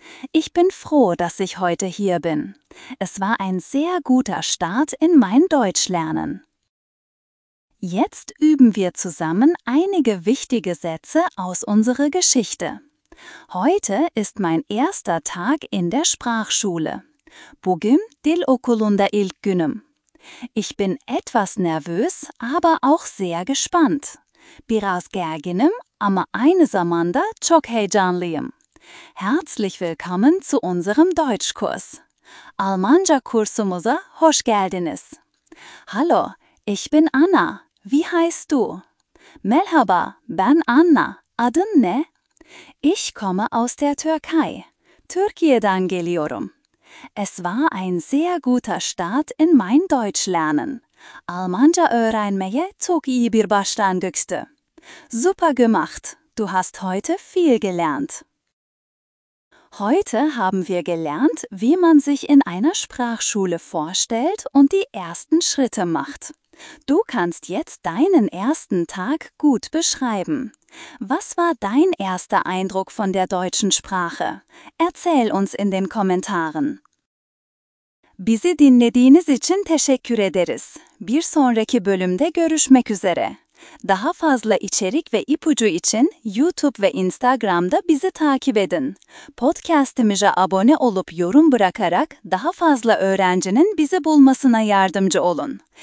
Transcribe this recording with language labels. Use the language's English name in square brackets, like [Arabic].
[German] Ich bin froh, dass ich heute hier bin. Es war ein sehr guter Start in mein Deutschlernen. Jetzt üben wir zusammen einige wichtige Sätze aus unserer Geschichte. Heute ist mein erster Tag in der Sprachschule. [Turkish] Bugün dil okulunda ilk günüm. [German] Ich bin etwas nervös, aber auch sehr gespannt. [Turkish] Biraz gerginim, ama aynı zamanda çok heyecanlıyım. [German] Herzlich willkommen zu unserem Deutschkurs. [Turkish] Almanca kursumuza hoş geldiniz. [German] Hallo, ich bin Anna. Wie heißt du? [Turkish] Merhaba, ben Anna. Adın ne? [German] Ich komme aus der Türkei. [Turkish] Türkiye'den geliyorum. [German] Es war ein sehr guter Start in mein Deutschlernen. [Turkish] Almanca öğrenmeye çok iyi bir başlangıçtı. [German] Super gemacht. Du hast heute viel gelernt. Heute haben wir gelernt, wie man sich in einer Sprachschule vorstellt und die ersten Schritte macht. Du kannst jetzt deinen ersten Tag gut beschreiben. Was war dein erster Eindruck von der deutschen Sprache? Erzähl uns in den Kommentaren. [Turkish] Bizi dinlediğiniz için teşekkür ederiz. Bir sonraki bölümde görüşmek üzere. Daha fazla içerik ve ipucu için YouTube ve Instagram'da bizi takip edin. Podcast'imize abone olup yorum bırakarak daha fazla öğrencinin bizi bulmasına yardımcı olun.